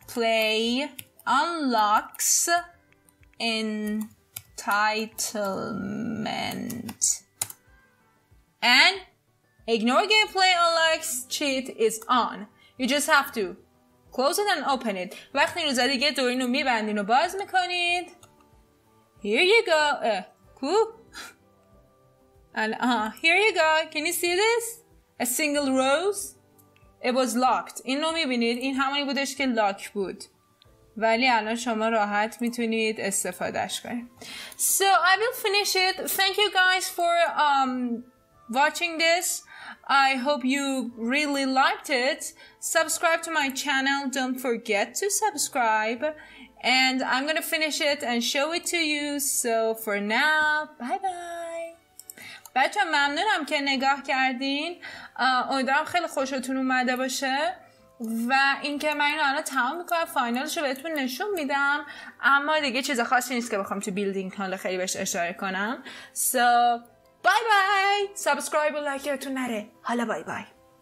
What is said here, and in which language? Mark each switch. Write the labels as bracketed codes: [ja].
[en] Play unlocks entitlement and ignore gameplay unlocks cheat is on. You just have to close it and open it. [fa] وقتی اینو زدی که دور اینو میبندین و باز میکنید. [en] Here you go. Here you go. Can you see this? A single rose. It was locked. [fa] این رو میبینید؟ این همونی بودش که لاک بود. ولی الان شما راحت میتونید استفادهش کنید. [en] So I will finish it. Thank you guys for watching this. I hope you really liked it. Subscribe to my channel. Don't forget to subscribe. And I'm gonna finish it and show it to you. So for now, bye bye. [fa] بچه ممنونم که نگاه کردین. امیدوارم خیلی خوشتون اومده باشه. و اینکه من اینو الان تمام میکنم، فاینالشو بهتون نشون میدم. اما دیگه چیز خاصی نیست که بخوام تو بیلدینگ حالا خیلی بهش اشاره کنم. [en] So bye bye. Subscribe [fa] و لایکتون نره. حالا [en] bye bye.